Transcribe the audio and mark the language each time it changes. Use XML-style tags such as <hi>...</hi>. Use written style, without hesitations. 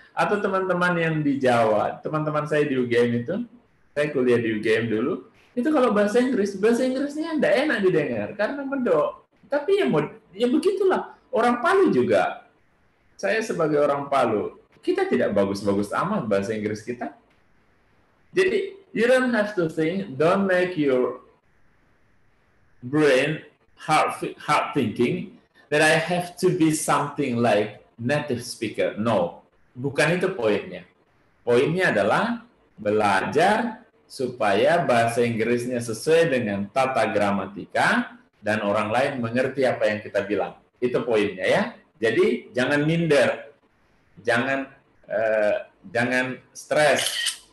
<id>Atau teman-teman yang di Jawa, teman-teman saya di UGM itu, saya kuliah di UGM dulu, itu kalau bahasa Inggris, bahasa Inggrisnya tidak enak didengar karena medok. Tapi ya begitulah. Orang Palu juga. Saya sebagai orang Palu, kita tidak bagus-bagus amat bahasa Inggris kita.</id> <en>Jadi, you don't have to think, don't make your brain hard thinking that I have to be something like native speaker.</en> <id>No, bukan itu poinnya. Poinnya adalah belajar supaya bahasa Inggrisnya sesuai dengan tata gramatika dan orang lain mengerti apa yang kita bilang. Itu poinnya ya. Jadi jangan minder, jangan stres.</id>